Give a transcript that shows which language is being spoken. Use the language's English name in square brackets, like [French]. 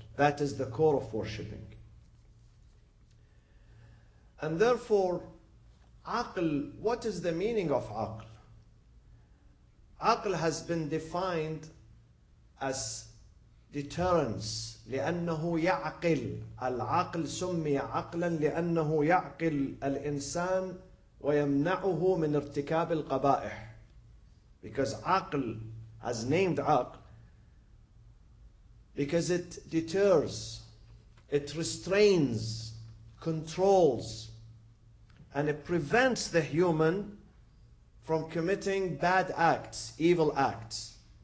[English] That is the core of worshipping. And therefore, aql, what is the meaning of aql? Aql has been defined as deterrence. [Arabic] لأنه يعقل. العقل سمي عقلا لأنه يعقل الإنسان ويمنعه من ارتكاب القبائح. [English] Because عقل has named عقل because it deters, it restrains, controls, and it prevents the human from committing bad acts, evil acts.